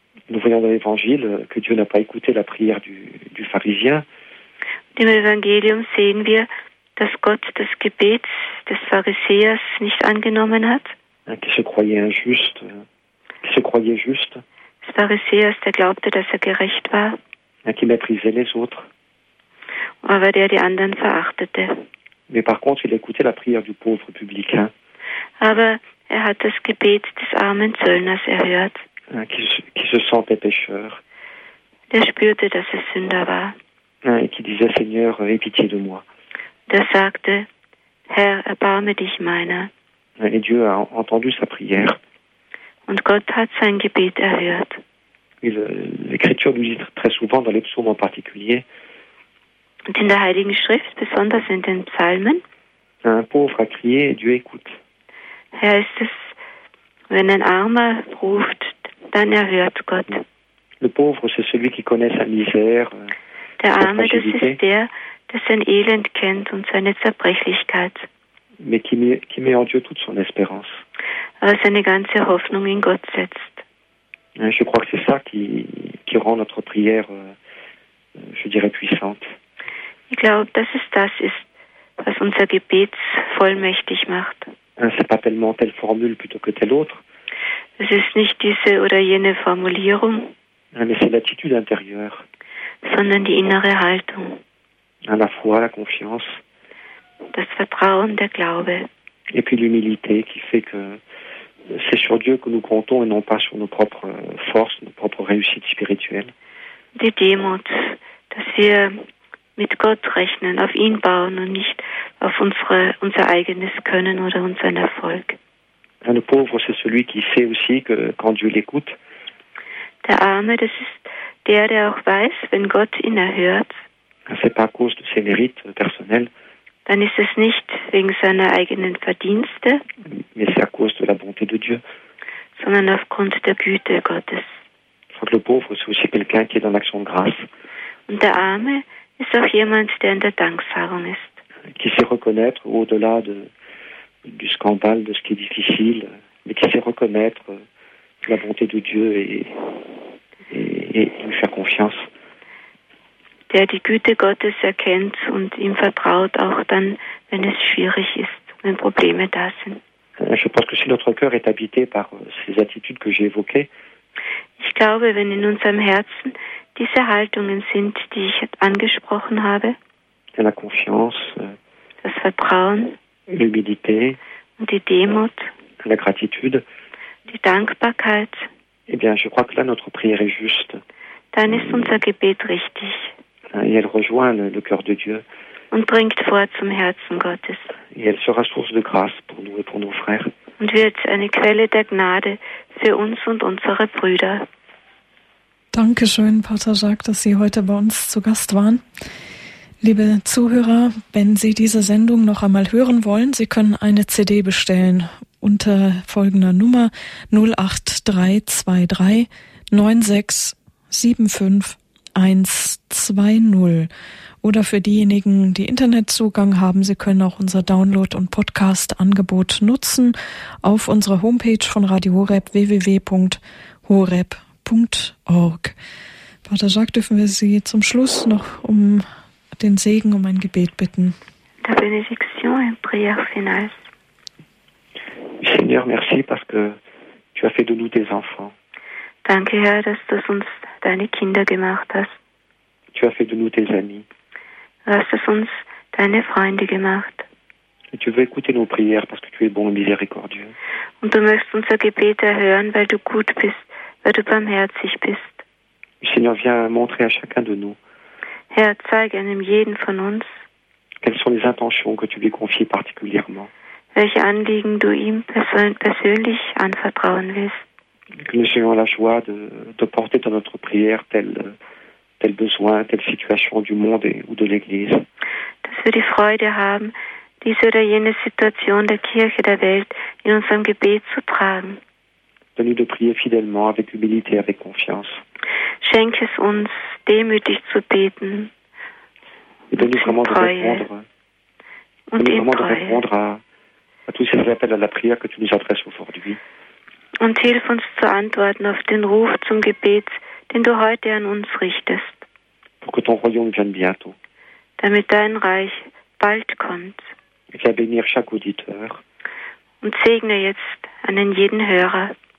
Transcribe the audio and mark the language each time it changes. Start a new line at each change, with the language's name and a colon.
French: Nous voyons dans l'Évangile que Dieu n'a pas écouté la prière du pharisien.
German: Im Evangelium sehen wir, dass Gott das Gebet des Pharisäers nicht angenommen hat.
French: Qui se croyait injuste, qui se croyait juste.
German: Des Pharisäers, der glaubte, dass gerecht war.
French: Qui méprisait les autres.
German: Aber der die anderen verachtete.
French: Mais par contre, il écoutait la prière du pauvre publicain.
German: Aber er hat das Gebet des armen Zöllners erhört.
French: Qui se sentait pécheur.
German: Der spürte, dass Sünder war.
French: Et qui disait, Seigneur, aie pitié de moi.
German: Der sagte, Herr, erbarme dich meiner.
French: Et Dieu a entendu sa prière.
German: Und Gott hat sein Gebet erhört.
French: L'Écriture nous dit très souvent, dans les psaumes en particulier,
German: und in der Heiligen Schrift, besonders in den Psalmen,
French: un pauvre a crié et Dieu écoute.
German: Herr, ist es, wenn ein Armer ruft, dann erhört Gott.
French: Le pauvre, c'est celui qui connaît sa misère,
German: der Arme,
French: sa fragilité.
German: Das ist der, der sein Elend kennt und seine Zerbrechlichkeit.
French: Mais qui met en Dieu toute son espérance.
German: Aber seine ganze Hoffnung in Gott setzt.
French: Je crois que c'est ça qui rend notre prière, je dirais, puissante.
German: Ich glaube, dass es das ist, was unser Gebet vollmächtig macht.
French: C'est pas tellement telle formule plutôt que telle autre.
German: Es ist nicht diese oder jene Formulierung.
French: Mais c'est l'attitude intérieure.
German: Sondern die innere Haltung.
French: La foi, la confiance.
German: Das Vertrauen, der Glaube.
French: Et puis l'humilité qui fait que c'est sur Dieu que nous comptons et non pas sur nos propres forces, nos propres réussites spirituelles.
German: Die Demut, dass wir mit Gott rechnen, auf ihn bauen und nicht auf unser eigenes Können oder unseren Erfolg.
French: Le pauvre, c'est celui qui sait aussi que quand Dieu l'écoute.
German: Der Arme, das ist der, der auch weiß, wenn Gott ihn erhört.
French: C'est pas à cause de ses mérites personnels.
German: Dann ist es nicht wegen seiner eigenen Verdienste,
French: mais c'est à cause de la bonté de Dieu.
German: Sondern aufgrund der Güte Gottes.
French: Donc le pauvre, c'est aussi quelqu'un qui est dans l'action de grâce.
German: Und der Arme ist auch jemand, der in der Danksagung ist.
French: Qui sait reconnaître au-delà du scandale, de ce qui est difficile, mais qui sait reconnaître la bonté de Dieu et lui faire confiance.
German: Der die Güte Gottes erkennt und ihm vertraut, auch dann, wenn es schwierig ist, wenn Probleme da sind.
French: Je pense que si notre cœur est habité par ces attitudes que j'ai évoquées,
German: ich glaube, wenn in unserem Herzen diese Haltungen sind, die ich angesprochen habe,
French: la confiance,
German: das Vertrauen,
French: l'humilité,
German: und die Demut,
French: la gratitude,
German: die Dankbarkeit,
French: eh bien, je crois que là notre prière est juste.
German: Dann ist unser Gebet richtig.
French: Et elle rejoint le cœur de Dieu.
German: Und bringt vor zum Herzen Gottes.
French: Et elle sera source de grâce pour nous et pour nos frères.
German: Und wird eine Quelle der Gnade für uns und unsere Brüder. Dankeschön, Pater Jacques, dass Sie heute bei uns zu Gast waren. Liebe Zuhörer, wenn Sie diese Sendung noch einmal hören wollen, Sie können eine CD bestellen unter folgender Nummer 08323 96 75 120. Oder für diejenigen, die Internetzugang haben, Sie können auch unser Download- und Podcast-Angebot nutzen auf unserer Homepage von Radio Horeb, www.horeb.org. www.horeb.org. Pater Jacques, dürfen wir Sie zum Schluss noch um den Segen, um ein Gebet bitten?
French: La bénédiction et prière finale. Seigneur, merci parce que tu as fait de nous des enfants.
German: Danke, Herr, dass du uns deine Kinder gemacht hast.
French: Tu as fait de nous tes amis.
German: Du hast uns deine Freunde gemacht.
French: Et tu veux écouter nos prières parce que tu es bon et miséricordieux.
German: Und du möchtest unser Gebet erhören, weil du gut bist, weil du barmherzig bist.
French: Seigneur, viens montrer à chacun de nous.
German: Herr, zeig einem jeden von uns.
French: Quelles sont les intentions que tu lui confies particulièrement?
German: Welche Anliegen du ihm persönlich anvertrauen willst?
French: Que nous ayons la joie de porter dans notre prière tel besoin, telle situation du monde ou de l'Église.
German: Dass wir die Freude haben, diese oder jene Situation der Kirche, der Welt in unserem Gebet zu tragen.
French: Donne-nous de prier fidèlement, avec humilité, avec confiance.
German: Schenke es uns, demütig zu beten.
French: Et donne-nous vraiment de répondre. Donne-nous vraiment de répondre à tous ces appels à la prière que tu nous adresses aujourd'hui.
German: Und hilf uns zu antworten auf den Ruf zum Gebet, den du heute an uns richtest.
French: Pour que ton royaume vienne bientôt.
German: Damit dein Reich bald kommt.
French: Et viens bénir chaque auditeur.
German: Und segne jetzt einen jeden Hörer.